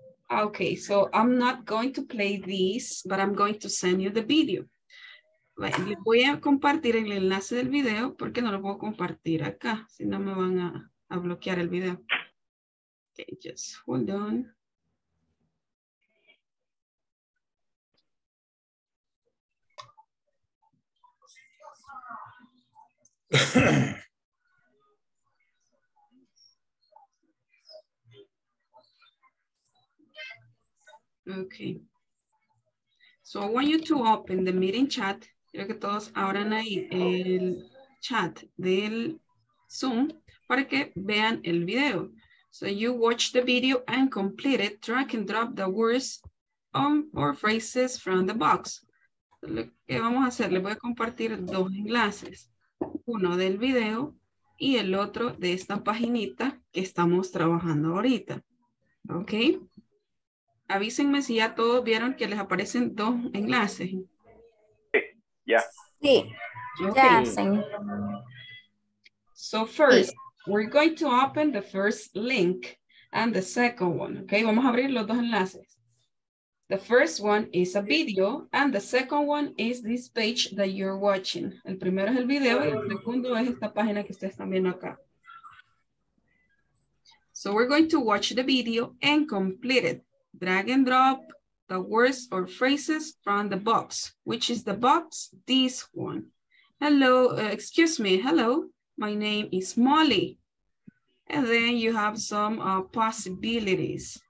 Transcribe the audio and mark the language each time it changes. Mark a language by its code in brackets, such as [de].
[en] Okay, so I'm not going to play this, but I'm going to send you the video. [es] Le voy a compartir el enlace del video porque no lo puedo compartir acá, si no me van a bloquear el video. [en] Okay, just hold on. Okay. So I want you to open the meeting chat. [es] Quiero que todos abran ahí el chat del Zoom para que vean el video. [en] So you watch the video and complete it. Drag and drop the words or phrases from the box. [es] Lo que vamos a hacer, les voy a compartir dos enlaces. Uno del video y el otro de esta paginita que estamos trabajando ahorita. Ok. Avísenme si ya todos vieron que les aparecen dos enlaces. [en] Yeah. [es] Sí. [en] Okay. So first, we're going to open the first link and the second one. [es] Okay, vamos a abrir los dos enlaces. [en] The first one is a video and the second one is this page that you're watching. [es] El primero es el video y el segundo es esta página que ustedes están viendo acá. [en] So we're going to watch the video and complete it. Drag and drop the words or phrases from the box. Which is the box? This one. Hello, excuse me. Hello, my name is Molly. And then you have some possibilities.